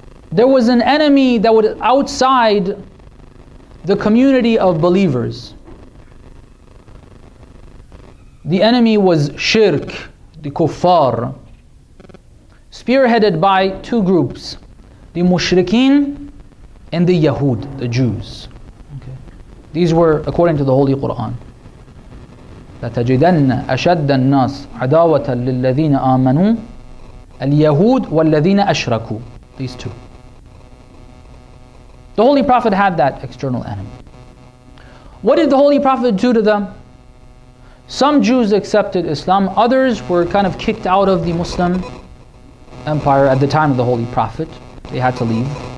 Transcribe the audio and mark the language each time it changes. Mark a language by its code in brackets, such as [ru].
[en] There was an enemy that was outside the community of believers. The enemy was shirk, the kuffar, spearheaded by two groups, the mushrikeen and the Yahud, the Jews. Okay. These were, according to the Holy Quran, [ar] لَتَجِدَنَّ أَشَدَّ النَّاسِ عَدَاوَةً لِلَّذِينَ آمَنُوا الْيَهُودِ وَالَّذِينَ أَشْرَكُوا. [en] These two. The Holy Prophet had that external enemy. What did the Holy Prophet do to them? Some Jews accepted Islam, others were kind of kicked out of the Muslim Empire at the time of the Holy Prophet. They had to leave.